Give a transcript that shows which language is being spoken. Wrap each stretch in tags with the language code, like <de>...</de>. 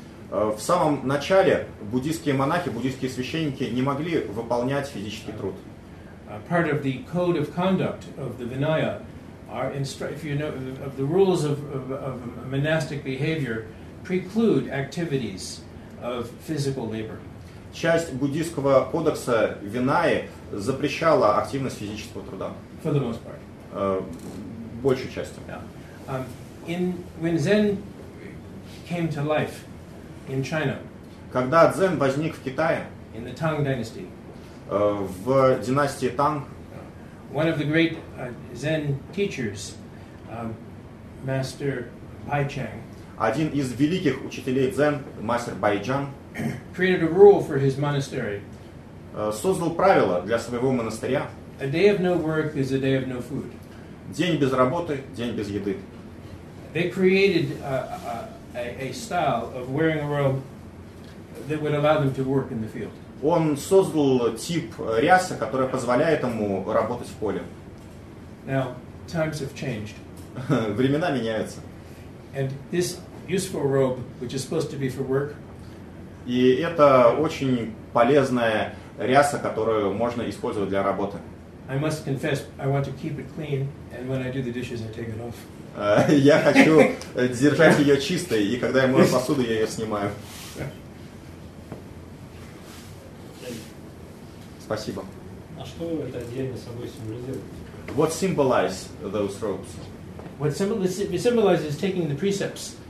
<ru>В самом начале буддийские монахи, буддийские священники не могли выполнять физический труд.</ru> <en>Part of the code of conduct of the Vinaya, are if you know, of the rules of monastic behavior, preclude activities of physical labor.</en> <ru>Часть буддийского кодекса Винаи запрещала активность физического труда.</ru> <en>For the most part.</en> <ru>Большей частью.</ru> <en>Yeah. When Zen came to life in China,</en> <ru>когда дзен возник в Китае,</ru> <en>in the Tang dynasty,</en> <ru>в династии Танг,</ru> <en>one of the great Zen teachers, Master Bai Chang,</en> <ru>один из великих учителей дзен, мастер Бай Чжан,</ru> <en>created a rule for his monastery.</en> <ru>Создал правило для своего монастыря.</ru> <en>A day of no work is a day of no food.</en> <ru>День без работы, день без еды.</ru> <en>They created a style of wearing a robe that would allow them to work in the field.</en> <ru>Он создал тип рясы, которая позволяет ему работать в поле.</ru> <en>Now, times have changed.</en> <ru>Времена меняются.</ru> <en>And this useful robe, which is supposed to be for work,</en> <ru>и это очень полезная ряса, которую можно использовать для работы.</ru> <en>I must confess, I want to keep it clean, and when I do the dishes, I take it off.</en> <ru>Я хочу держать ее чистой, и когда я мою посуду, я ее снимаю. Спасибо. А что это одеяние собой символизирует?</ru> <en>What symbolize those robes? What symbolizes is taking the precepts.</en>